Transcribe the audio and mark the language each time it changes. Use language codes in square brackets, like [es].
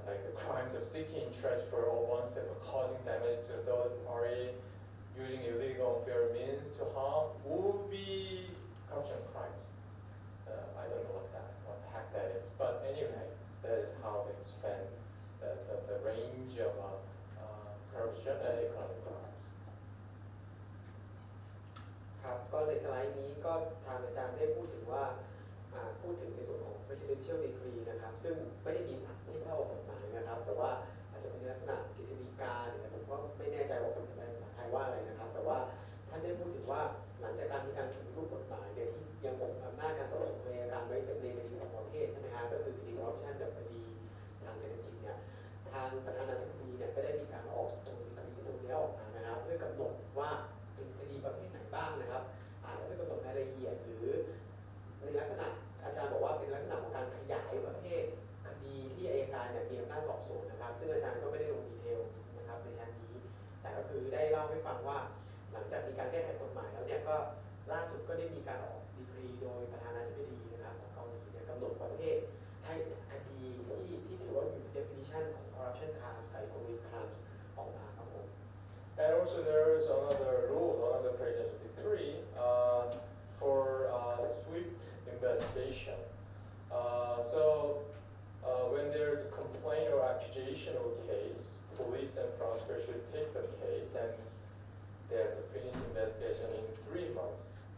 [en] Like the crimes of seeking interest for one's sake, causing damage to third party, using illegal unfair means to harm, will be corruption crimes. I don't know what the heck that is. But anyway, that is how they expand the range of corruption and economic crimes. [th] ก็ในสไลด์นี้ก็ทางอาจารย์ได้พูดถึงว่าพูดถึงในส่วนของ presidential decree นะครับซึ่งไม่ได้มีสั่งให้เข้าออกกฎหมายนะครับแต่ว่าอาจจะเป็นลักษณะกฤษฎีกาหรือผมก็ไม่แน่ใจว่าเป็นภาษาไทยว่าอะไรนะครับแต่ว่าท่านได้พูดถึงว่าหลังจากการมีการปฏิรูปกฎหมายเนี่ยที่ยังคงอำนาจการสอบสวนในการไว้จำในคดีสองประเภทใช่ไหมฮะก็คือคดีคอร์รัปชันกับคดี ทางเศรษฐกิจเนี่ยทางประธานาธิบดีเนี่ยก็ได้มีการออกตัวคดีตัวนี้ออกมานะครับเพื่อกำหนดว่าเป็นคดีประเภทไหนบ้างนะครับแล้วก็กำหนดรายละเอียดหรือ ในลักษณะอาจารย์บอกว่าเป็นลักษณะของการขยายประเภทคดีที่อัยการเนี่ยมีอำนาจสอบสวนนะครับซึ่งอาจารย์ก็ไม่ได้ลงดีเทลนะครับในชั้นนี้แต่ก็คือได้เล่าให้ฟังว่าหลังจากมีการแก้ไขกฎหมายแล้วเนี่ยก็ล่าสุดก็ได้มีการออกดีกรีโดยประธานาธิบดีนะครับของเกาหลีเนี่ยกำหนดประเภทให้คดีที่ถือว่าอยู่ใน definition ของ corruption crimes ใส่ economic crimes ออกมาครับผม [en] And also there is another rule, another presidential decree for swift investigation. So when there is a complaint or accusation or case, police and prosecutor should take the case and they have to finish investigation in 3 months.